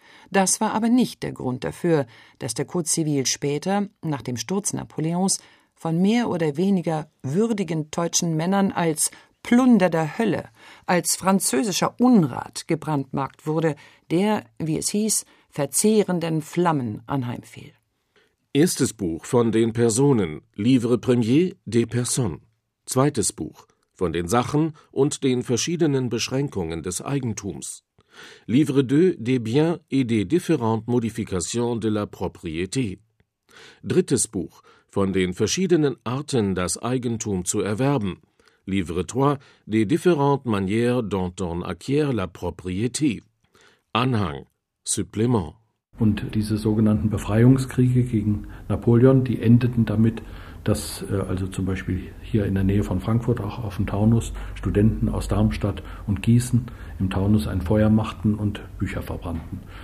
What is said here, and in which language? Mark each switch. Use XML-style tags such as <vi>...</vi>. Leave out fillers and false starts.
<de>Das war aber nicht der Grund dafür, dass der Code Civil später, nach dem Sturz Napoleons, von mehr oder weniger würdigen deutschen Männern als Plunder der Hölle, als französischer Unrat gebrandmarkt wurde, der, wie es hieß, verzehrenden Flammen anheimfiel. Erstes Buch von den Personen,</de> <fr>Livre Premier des Personnes.</fr> <de>Zweites Buch von den Sachen und den verschiedenen Beschränkungen des Eigentums.</de> <fr>Livre II des Biens et des différentes Modifications de la Propriété.</fr> <de>Drittes Buch von den verschiedenen Arten, das Eigentum zu erwerben.</de> <fr>Livre III des différentes manières dont on acquiert la propriété.</fr> <de>Anhang, Supplément. Und diese sogenannten Befreiungskriege gegen Napoleon, die endeten damit, dass also zum Beispiel hier in der Nähe von Frankfurt, auch auf dem Taunus, Studenten aus Darmstadt und Gießen im Taunus ein Feuer machten und Bücher verbrannten.</de>